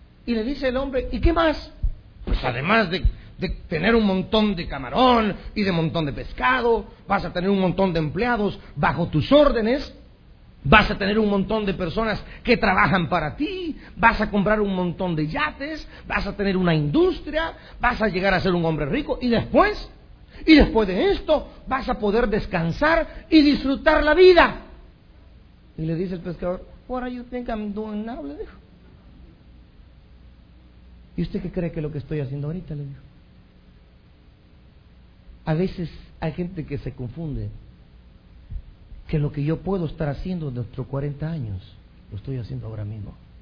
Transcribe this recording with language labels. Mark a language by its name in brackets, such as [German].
[Spanish] Y le dice el hombre, ¿y qué más? Pues además de tener un montón de camarón y de montón de pescado, vas a tener un montón de empleados bajo tus órdenes, vas a tener un montón de personas que trabajan para ti, vas a comprar un montón de yates, vas a tener una industria, vas a llegar a ser un hombre rico, y después de esto, vas a poder descansar y disfrutar la vida. Y le dice el pescador, [English] what do you think I'm doing now? [Spanish] Le dijo. ¿Y usted qué cree que lo que estoy haciendo ahorita? Le digo. A veces hay gente que se confunde que lo que yo puedo estar haciendo en nuestros 40 años lo estoy haciendo ahora mismo.